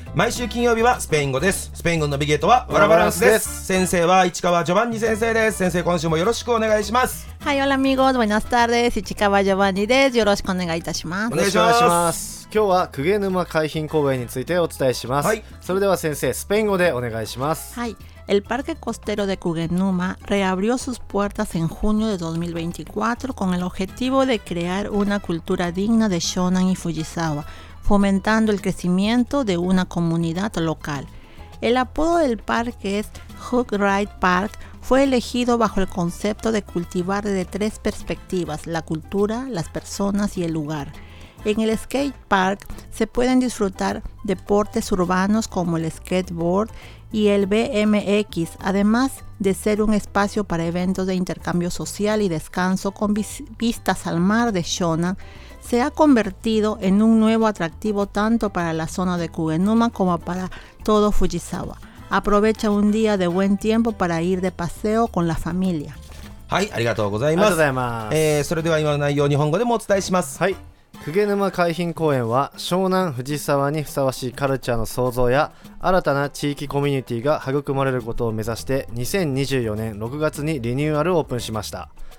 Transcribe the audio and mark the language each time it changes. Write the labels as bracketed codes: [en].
[ja] 毎週金曜日はスペイン語です。スペイン語のナビゲートはワラバランスです。先生は市川ジョバンニ先生です。先生今週もよろしくお願いします。はい、オラミゴーズバナスターです。市川ジョバンニです。よろしくお願いいたします。お願いします, します今日は公家沼海浜公園についてお伝えします。はい、それでは先生スペイン語でお願いします。はい、 [es] El Parque Costero de Cuguenuma reabrió sus puertas en junio de 2024 con el objetivo de crear una cultura digna de Shonan y Fujisawa, fomentando el crecimiento de una comunidad local. El apodo del parque es Hook Right Park, fue elegido bajo el concepto de cultivar desde tres perspectivas: la cultura, las personas y el lugar. En el skate park se pueden disfrutar deportes urbanos como el skateboard y el BMX, además de ser un espacio para eventos de intercambio social y descanso con vistas al mar de Shonan. Se ha convertido en un nuevo atractivo tanto para la zona de Kugenuma como para todo Fujisawa. Aprovecha un día de buen tiempo para ir de paseo con la familia. [ja] はい、ありがとうございます。ありがとうございます。それでは今の内容日本語でもお伝えします。はい。公家沼海浜公園は湘南藤沢にふさわしいカルチャーの創造や新たな地域コミュニティが育まれることを目指して2024年6月にリニューアルオープンしました。